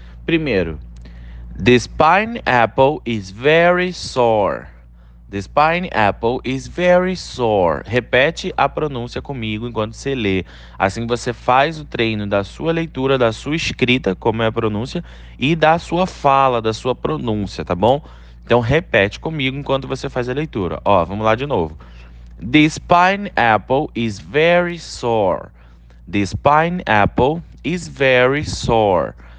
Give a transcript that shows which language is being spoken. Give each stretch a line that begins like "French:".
English: Primeiro, this pineapple is very sour. This pineapple is very sore.
Portuguese: Repete a pronúncia comigo enquanto você lê. Assim você faz o treino da sua leitura, da sua escrita, como é a pronúncia, e da sua fala, da sua pronúncia, tá bom? Então repete comigo enquanto você faz a leitura. Ó, vamos lá de novo.
English: This pineapple is very sore. This pineapple is very sore.